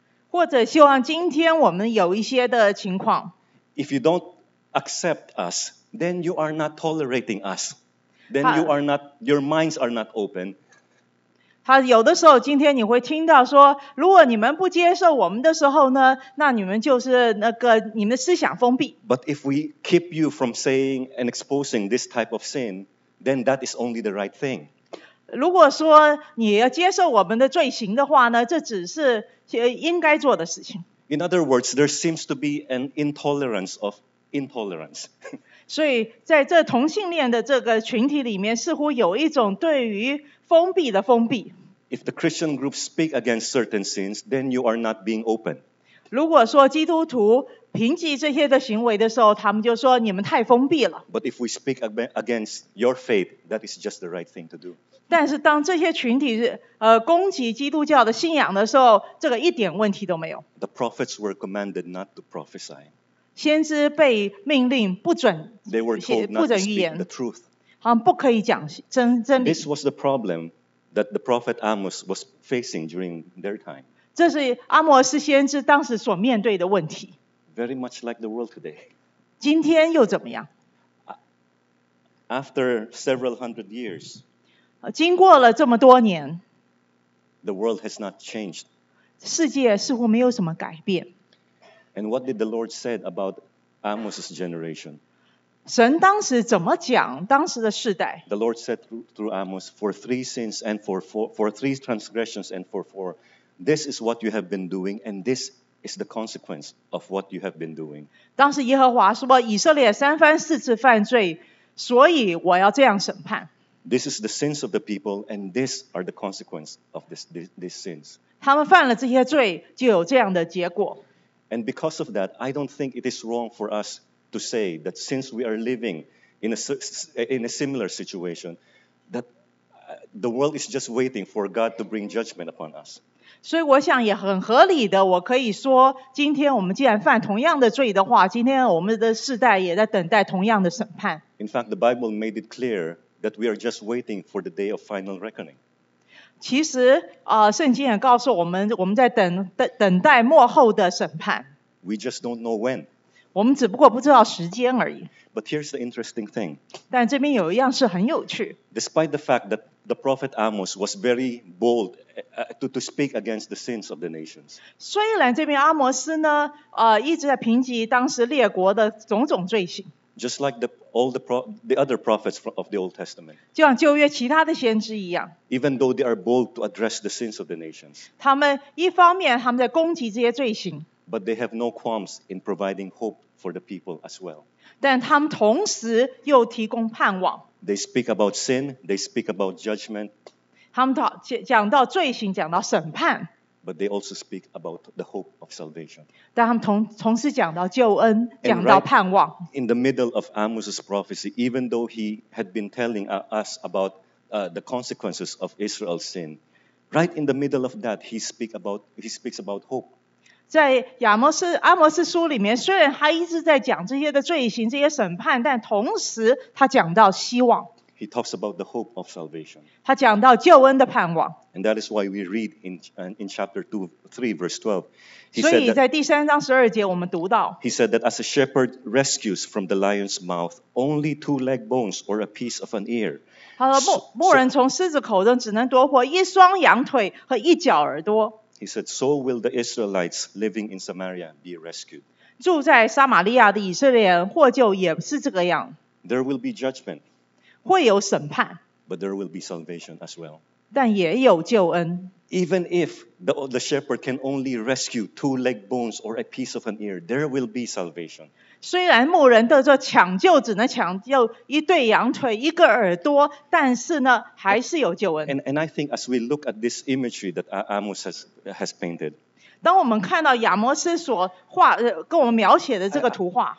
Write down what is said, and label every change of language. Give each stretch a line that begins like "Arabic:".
Chinese: 或者希望今天我们有一些的情况。
English: If you don't accept us, then you are not tolerating us. Then you are not, your minds are not open.
Chinese: 他有的时候今天你会听到说如果你们不接受我们的时候呢那你们就是那个你们的思想封闭。
English: But if we keep you from saying and exposing this type of sin, then that is only the right thing.
Chinese: 如果说你要接受我们的罪行的话呢这只是应该做的事情。
English: In other words, there seems to be an intolerance of intolerance.
Chinese: 所以在这同性恋的这个群体里面似乎有一种对于封闭的封闭。
English: If the Christian group speak against certain sins, then you are not being open.
Chinese: 如果说基督徒评级这些的行为的时候，他们就说你们太封闭了。
English: But if we speak against your faith, that is just the right thing to do.
Chinese: 但是当这些群体攻击基督教的信仰的时候，这个一点问题都没有。
English: The prophets were commanded not to prophesy.
Chinese: 先知被命令不准，
English: They were told not to speak the truth.
Chinese: 他们不可以讲真理。
English: This was the problem that the prophet Amos was facing during their time.
Chinese: 这是阿摩斯先知当时所面对的问题。
English: Very much like the world today.
Chinese: 今天又怎么样
English: ？After several hundred years.
Chinese: 经过了这么多年。
English: The world has not changed.
Chinese: 世界似乎没有什么改变。
English: And what did the Lord say about Amos' generation?
Chinese: 神当时怎么讲当时的世代
English: ？The Lord said through Amos, for three sins and for three transgressions and for four, this is what you have been doing, and this is the consequence of what you have been doing.
Chinese: 当时耶和华说，以色列三番四次犯罪，所以我要这样审判。
English: This is the sins of the people, and these are the consequence of these sins.
Chinese: 他们犯了这些罪，就有这样的结果。
English: And because of that, I don't think it is wrong for us to say that since we are living in a similar situation, that the world is just waiting for God to bring judgment upon us.
Chinese: 所以我想也很合理的，我可以说，今天我们既然犯同样的罪的话，今天我们的世代也在等待同样的审判。
English: In fact, the Bible made it clear that we are just waiting for the day of final reckoning.
Chinese: 其实、圣经也告诉我们，我们在 等待末后的审判。
English: We just don't know when.
Chinese: 我们只不过不知道时间而已。
English: But here's the interesting thing.
Chinese: 但这边有一样是很有趣。
English: Despite the fact that the prophet Amos was very bold to speak against the sins of the nations.
Chinese: 虽然这边阿摩斯呢、一直在评级当时列国的种种罪行。
English: Just like the other prophets of the Old Testament.
Chinese: 就像旧约其他的先知一样。
English: Even though they are bold to address the sins of the nations.
Chinese: 他们一方面他们在攻击这些罪行。
English: But they have no qualms in providing hope for the people as well.
Chinese: 但他们同时又提供盼望。
English: They speak about sin, they speak about judgment.
Chinese: 他们讲到罪行，讲到审判。
English: But they also speak about the hope of salvation.
Chinese: 但他们 同时讲到救恩，讲到盼望。
English: Right, in the middle of Amos' prophecy, even though he had been telling us about the consequences of Israel's sin, right in the middle of that, he speaks about hope.
Chinese: 在阿摩斯书里面，虽然他一直在讲这些的罪行，这些审判，但同时他讲到希望。
English: He talks about the hope of salvation.
Chinese: 他讲到救恩的盼望。
English: And that is why we read in chapter 2:3, verse 12.
Chinese: 所以在第三章十二节我们读到。
English: He said that as a shepherd rescues from the lion's mouth only two leg bones or a piece of an ear.
Chinese: 他说牧人从狮子口中只能夺活一双羊腿和一角耳朵。
English: He said, so will the Israelites living in Samaria be rescued.
Chinese: 住在撒玛利亚的以色列人获救也是这个样。
English: There will be judgment.
Chinese: 会有审判
English: but there will be salvation as well.
Chinese: 但也有救恩
English: Even if the shepherd can only rescue two leg bones or a piece of an ear, there will be salvation.
Chinese: 虽然牧人得着抢救只能抢救一对羊腿一个耳朵但是呢还是有救恩
English: And I think as we look at this imagery that Amos has painted,
Chinese: 当我们看到亚摩斯所画跟我们描写的这个图画